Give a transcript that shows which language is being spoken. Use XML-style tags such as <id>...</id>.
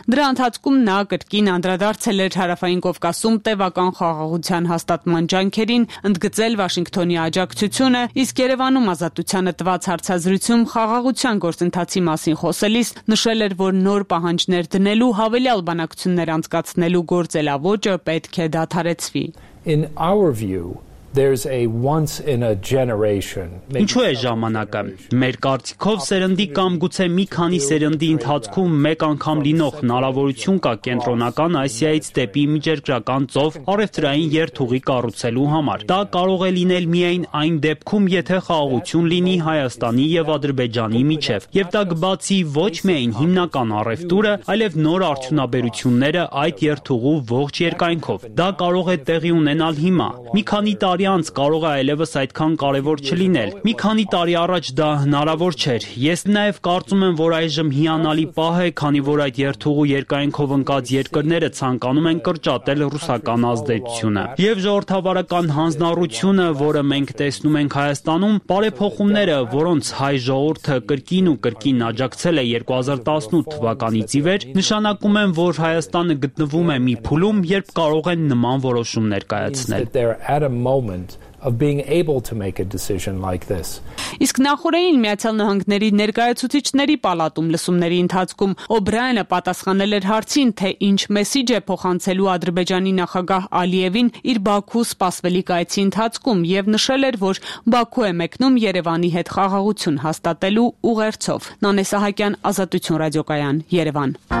<hy>Դրա ընթացքում նա կրկին անդրադարձել էր Հարավային Կովկասում տևական խաղաղության հաստատման ջանքերին, ընդգծել Վաշինգտոնի աջակցությունը, իսկ Երևանում ազատությանը տված հարցազրույցում խաղաղության գործընթացի մասին խոսելիս նշել էր, որ նոր պահանջներ դնելու, հավելյալ բանակցություններ անցկացնելու գործելաոճը պետք է դադարեցվի։</hy> <en>In our view, there's a once in a generation.</en> <hy>Ինչու է ժամանակը։ Մեր կարծիքով սերնդի կամ գուցե մի քանի սերնդի ընթացքում մեկ անգամ լինող հնարավորություն կա կենտրոնական Ասիայից դեպի միջերկրական ծով առևտրային երթուղի կառուցելու համար։ Դա կարող է լինել միայն այն դեպքում, եթե խաղաղություն լինի Հայաստանի եւ Ադրբեջանի միջև, եւ դա կբացի ոչ միայն հիմնական առևտուրը, այլեւ նոր արդյունաբերությունները այդ երթուղու ողջ երկայնքով։ Դա կարող է տեղի ունենալ հիմա։ Մի քանի Արիանց կարող է այլևս այդքան կարևոր չլինել։ Մի քանի տարի առաջ դա հնարավոր չէր։ Ես նաև կարծում եմ, որ այժմ հիանալի պահ է, քանի որ այդ երթուղու երկայնքով ընկած երկրները ցանկանում են կրճատել ռուսական ազդեցությունը։ Եվ ժողովրդավարական հանձնառությունը, որը մենք տեսնում ենք Հայաստանում, բարեփոխումները, որոնց հայ ժողովուրդը կրկին ու կրկին աջակցել է 2018 թվականից ի վեր, նշանակում են, որ Հայաստանը գտնվում է մի փուլում, երբ կարող են նման որոշումներ կայացնել։</hy> <en>Moment of being able to make a decision like this.</en> <hy>Իսկ նախորդային Միացյալ Նահանգների ներկայացուցիչների պալատում լսումների ընթացքում Օբրայնը պատասխանել էր հարցին, թե ինչ մեսիջ է փոխանցելու Ադրբեջանի նախագահ Ալիևին իր Բաքու սպասվելի կայցի ընթացքում եւ նշել էր, որ Բաքու է մեկնում Երևանի հետ խաղաղություն հաստատելու ուղերձով։ Նանես Ահակյան, Ազատություն ռադիոկայան, Երևան։</hy>